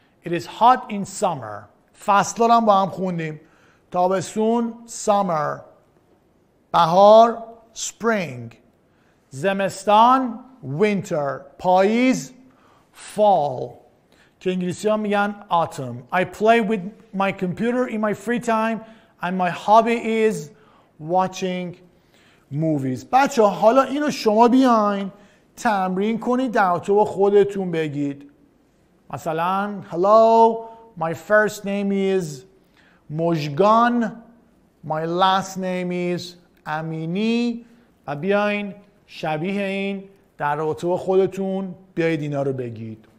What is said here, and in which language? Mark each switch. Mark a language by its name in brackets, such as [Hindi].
[English] It is hot in summer. [Persian] فصل رو هم با هم خوندیم. تابستون summer. بهار spring. زمستان winter. پاییز fall. که انگلیسی ها میگن autumn. [English] I play with my computer in my free time and my hobby is watching movies. [Persian] بچه ها حالا اینو شما بیاین تمرین کنید، در تو با خودتون بگید. [English] مثلا hello, my first name is Mojgan, my last name is Amini. [Persian] و بیاین شبیه این در رابطه با خودتون بیاید اینا رو بگید.